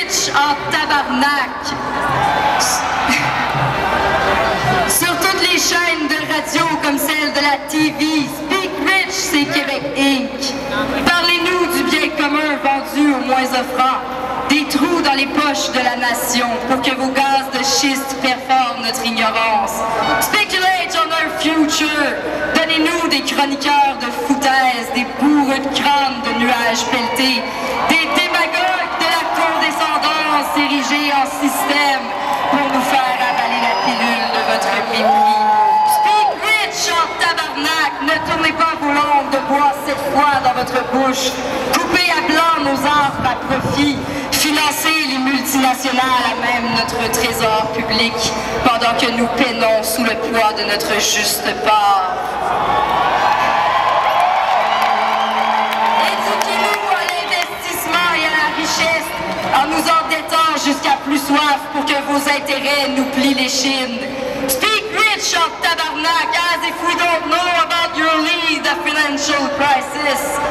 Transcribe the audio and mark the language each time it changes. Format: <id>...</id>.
<fr>en tabarnak sur toutes les chaînes de radio comme celle de la TV.</fr> <en>Speak Rich,</en> <fr>c'est Québec Inc. Parlez-nous du bien commun vendu aux moins offrants, des trous dans les poches de la nation pour que vos gaz de schiste performent notre ignorance.</fr> <en>Speculate on our future.</en> <fr>Donnez-nous des chroniqueurs de foutaise, des bourreux de crâne de nuages pelletés, des démagogues de la condescendance érigée en système pour nous faire avaler la pilule de votre pays.</fr> <en>Speak Rich</en> <fr>en tabarnak. Ne tournez pas vos langues de bois cette fois dans votre bouche. Coupez à blanc nos arbres à profit. Financer les multinationales à même notre trésor public pendant que nous peinons sous le poids de notre juste part. Éduquez-nous à l'investissement et à la richesse en nous endettant jusqu'à plus soif pour que vos intérêts nous plient les chines.</fr> <en>Speak Rich</en> <fr>en tabarnak,</fr> <en>as if we don't know about your lead, a financial crisis.</en>